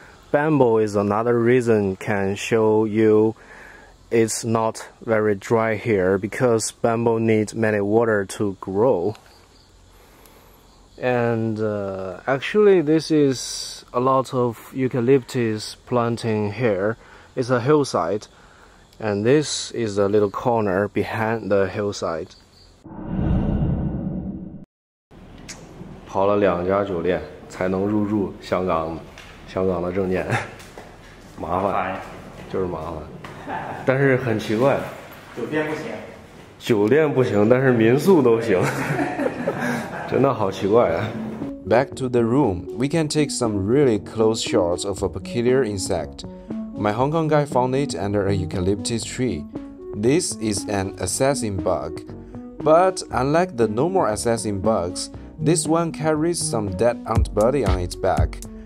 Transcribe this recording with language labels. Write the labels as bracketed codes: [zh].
[en] Bamboo is another reason can show you it's not very dry here, because bamboo needs many water to grow. And actually this is a lot of eucalyptus planting here. It's a hillside, and this is a little corner behind the hillside. [zh] 跑了两家酒店才能入住香港的证件，麻烦，就是麻烦。但是很奇怪，酒店不行，但是民宿都行，真的好奇怪啊。 [en] Back to the room, we can take some really close shots of a peculiar insect. My Hong Kong guy found it under a eucalyptus tree. This is an assassin bug, but unlike the normal assassin bugs, this one carries some dead ant body on its back.